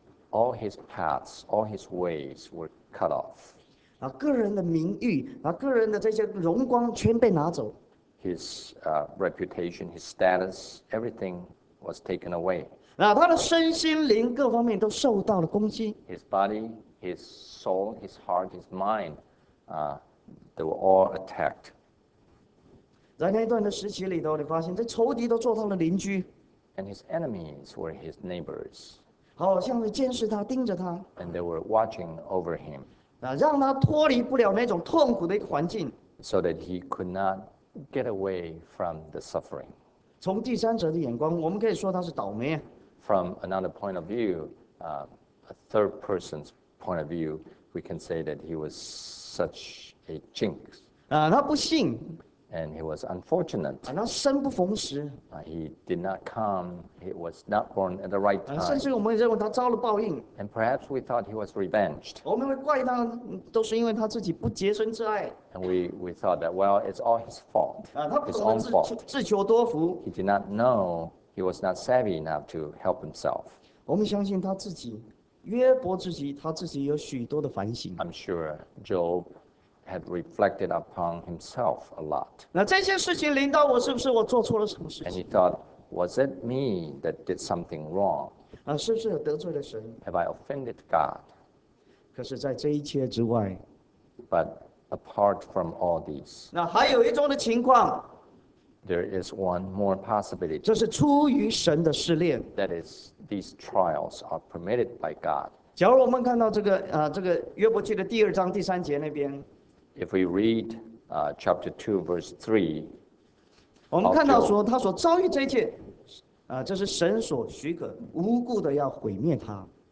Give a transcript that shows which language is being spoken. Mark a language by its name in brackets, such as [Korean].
[English] All his paths, all his ways were cut off. [Chinese] 个人的名誉，个人的这些荣光全被拿走。 [English] His reputation, his status, everything was taken away. [Chinese] 他的身心灵各方面都受到了攻击。 [English] His body, his soul, his heart, his mind, they were all attacked. [Chinese] 在那段的时期里头，你发现这仇敌都做他的邻居。 [English] And his enemies were his neighbors. [Chinese] 好像是监视他，盯着他。 [English] And they were watching over him. [Chinese] 啊，让他脱离不了那种痛苦的一个环境。 [English] So that he could not get away from the suffering. [Chinese] 从第三者的眼光，我们可以说他是倒霉。 [English] From another point of view, a third person's point of view, we can say that he was such a jinx. [Chinese] 啊，他不幸。 [English] And he was unfortunate. [Chinese] 啊，他生不逢时。 [English] He did not come. He was not born at the right time. [Chinese] 啊，甚至我们认为他遭了报应。 [English] And perhaps we thought he was revenged. [Chinese] 我们会怪他，都是因为他自己不洁身自爱。 [English] And we thought that, well, it's all his fault. [Chinese] 啊，他不懂自求多福。 [English] He did not know. He was not savvy enough to help himself. [Chinese] 我们相信他自己，约伯自己，他自己有许多的反省。 [English] I'm sure Job. Had reflected upon himself a lot. [Chinese] 那这些事情临到我，是不是我做错了什么事情？ [English] And he thought, was it me that did something wrong? [Chinese] 啊，是不是得罪了神？ [English] Have I offended God? [Chinese] 可是，在这一切之外， [English] but apart from all these, [Chinese] 那还有一种的情况， [English] there is one more possibility. [Chinese] 这是出于神的试炼。 [English] That is, these trials are permitted by God. [Chinese] 假如我们看到这个啊，这个约伯记的第二章第三节那边。 [English] If we read chapter 2, verse 3, [Chinese] 我们看到说他所遭遇这一切，啊，这是神所许可，无故的要毁灭他。